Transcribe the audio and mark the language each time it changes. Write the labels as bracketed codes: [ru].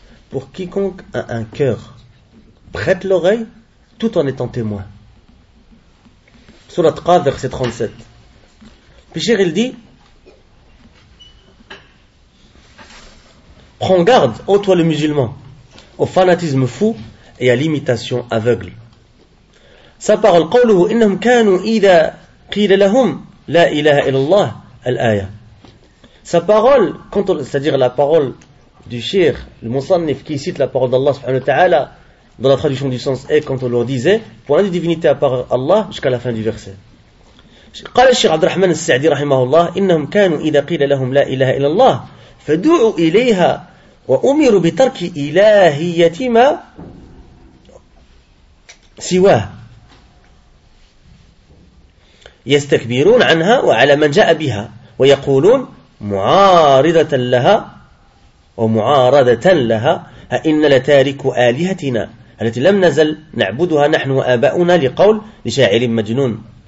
[fr] Pour quiconque a un cœur. Prête l'oreille tout en étant témoin. Surat Qaf, verset 37. Puis Cheikh, il dit, prends garde, ô toi le musulman, au fanatisme fou et à l'imitation aveugle. Sa parole, [ar] قوله, إنهم كانوا إذا قيل لهم لا إله إلا الله, الآية. [fr] Sa parole, c'est-à-dire la parole du Cheikh, le Moussanif, qui cite la parole d'Allah subhanahu wa ta'ala, dans la traduction du sens est, quand on leur disait, pour l'un des divinités à part Allah, jusqu'à la fin du verset. [ar] قال الشيخ عبد الرحمن السعدي رحمه الله إنهم كانوا إذا قيل لهم لا إله إلا الله فدعوا إليها وأمروا بترك إلهية ما سواه يستكبرون عنها وعلى من جاء بها ويقولون معارضة لها ومعارضة لها أئن لتارك آلهتنا التي لم نزل نعبدها نحن وآباؤنا لقول لشاعر مجنون.